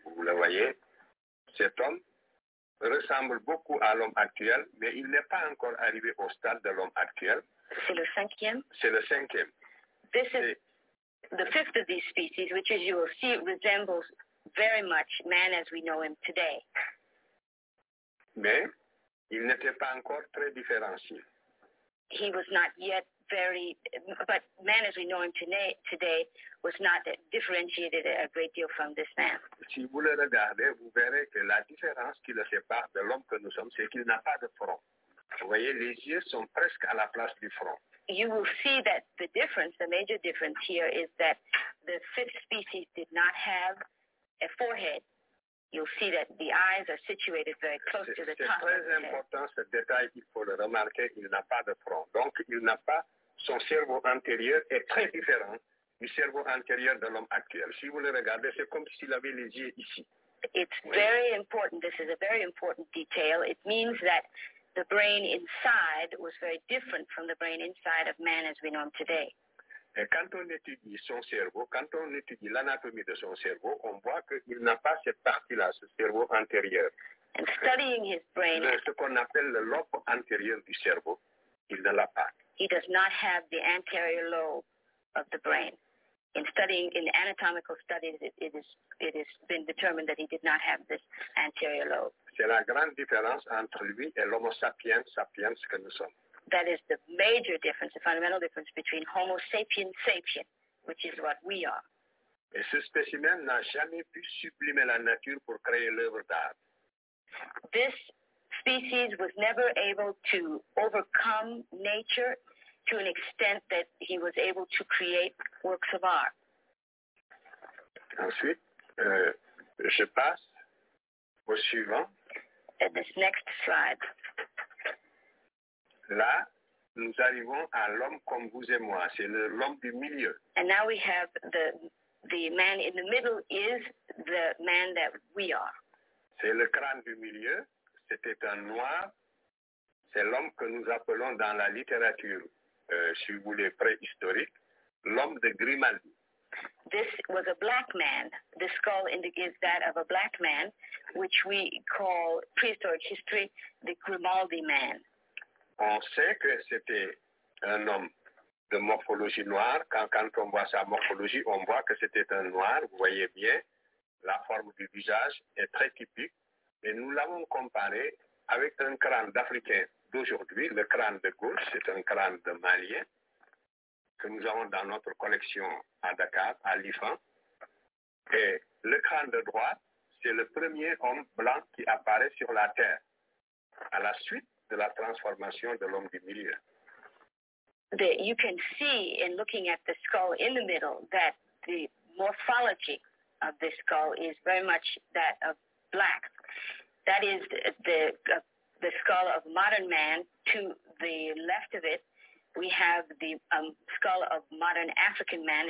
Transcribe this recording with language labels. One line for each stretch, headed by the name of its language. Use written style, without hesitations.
French: Vous le voyez, cet homme ressemble beaucoup à l'homme actuel, mais il n'est pas encore arrivé au stade de l'homme actuel. C'est le cinquième? C'est le cinquième.
English: This is the fifth of these species, which, as you will see, resembles very much man as we know him today.
French: Mais il n'était pas encore très différencié.
English: He was not yet very, but man as we know him today was not differentiated a great deal from this man.
French: Si vous le regardez, vous verrez que la différence qui le sépare de l'homme que nous sommes, c'est qu'il n'a pas de front. Vous voyez, les yeux sont presque à la place du front.
English: You will see that the difference, the major difference here, is that the fifth species did not have a forehead. you'll see that the eyes are situated very close to the tongue.
French: C'est très important ce détail, il faut le remarquer, il n'a pas de front. Donc il n'a pas, son cerveau antérieur est très différent du cerveau antérieur de l'homme actuel. Si vous le regardez, c'est comme s'il avait les yeux ici.
English: It's very important, this is a very important detail. It means that the brain inside was very different from the brain inside of man as we know him today.
French: Et quand on étudie son cerveau, quand on étudie l'anatomie de son cerveau, on voit qu'il n'a pas cette partie-là, ce cerveau antérieur.
English: And studying his brain,
French: ce qu'on appelle le lobe antérieur du cerveau, il ne l'a pas.
English: He does not have the anterior lobe of the brain. In studying, in anatomical studies, it has been determined that he did not have this anterior lobe.
French: C'est la grande différence entre lui et l'homo sapiens, sapiens que nous sommes.
English: That is the major difference, the fundamental difference between Homo sapiens sapiens, which is what we are.
French: Et ce spécimen n'a jamais pu sublimer la nature pour créer l'œuvre d'art.
English: This species was never able to overcome nature to an extent that he was able to create works of art.
French: Ensuite, je passe au suivant.
English: At this next slide.
French: Là, nous arrivons à l'homme comme vous et moi. C'est l'homme du milieu.
English: And now we have the man in the middle is the man that we are.
French: C'est le crâne du milieu. C'était un noir. C'est l'homme que nous appelons dans la littérature, si vous voulez, préhistorique, l'homme de Grimaldi.
English: This was a black man. The skull indicates that of a black man, which we call prehistoric history, the Grimaldi man.
French: On sait que c'était un homme de morphologie noire. Quand on voit sa morphologie, on voit que c'était un noir. Vous voyez bien, la forme du visage est très typique. Et nous l'avons comparé avec un crâne d'Africain d'aujourd'hui, le crâne de Gauche. C'est un crâne de Malien que nous avons dans notre collection à Dakar, à l'IFAN. Et le crâne de droite, c'est le premier homme blanc qui apparaît sur la Terre à la suite de la transformation de l'homme du milieu.
English: You can see in looking at the skull in the middle that the morphology of this skull is very much that of black. That is the skull of modern man. To the left of it, we have the skull of modern African man.